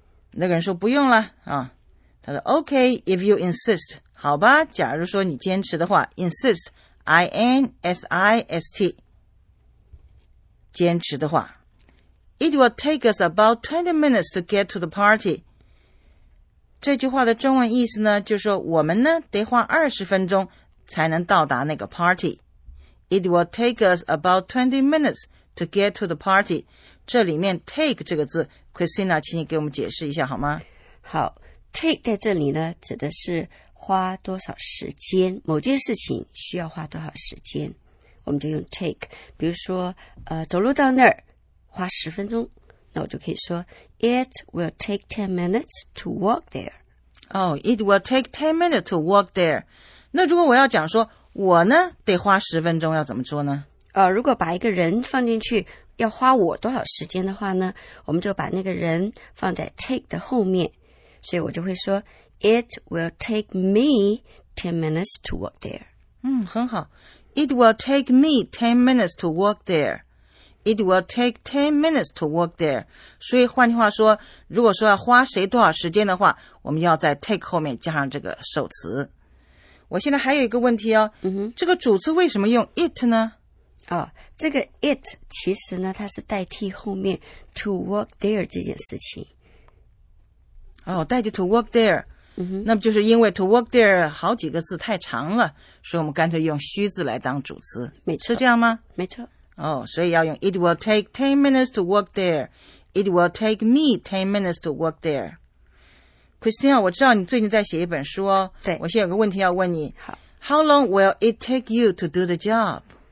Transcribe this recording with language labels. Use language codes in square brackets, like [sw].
[zh] 那个人说不用了啊。他说 [en] OK, if you insist. [zh] 好吧，假如说你坚持的话 insist, I-N-S-I-S-T. 坚持的话。 [en] It will take us about 20 minutes to get to the party. [zh] 这句话的中文意思呢，就是说我们呢得花20分钟才能到达那个 party. [en] It will take us about 20 minutes to get to the party. [zh] 这里面 take 这个字 ,Christina, 请你给我们解释一下好吗？好。 Take 在这里呢，指的是花多少时间，某件事情需要花多少时间，我们就用 take。比如说，走路到那儿花十分钟，那我就可以说 [en] It will take 10 minutes to walk there. Oh, it will take 10 minutes to walk there. [zh] 那如果我要讲说我呢得花十分钟要怎么做呢如果把一个人放进去要花我多少时间的话呢我们就把那个人放在 take 的后面所以我就会说 [en] It will take me 10 minutes to walk there. [zh] 嗯很好。 [en] It will take me 10 minutes to walk there. It will take 10 minutes to walk there. [zh] 所以换句话说如果说要花谁多少时间的话我们要在 take 后面加上这个首词。我现在还有一个问题哦、嗯、这个主词为什么用 it 呢哦，这个 it 其实呢它是代替后面 [en] to walk there [zh] 这件事情。哦，代替 [en] to walk there。 [zh] 嗯、那么就是因为 [en] to walk there [zh] 好几个字太长了所以我们干脆用虚字来当主词没错是这样吗没错哦，所以要用 [en] it will take 10 minutes to walk there it will take me 10 minutes to walk there Christina [zh] 我知道你最近在写一本书哦对我现在有个问题要问你好 [en] How long will it take you to do the job?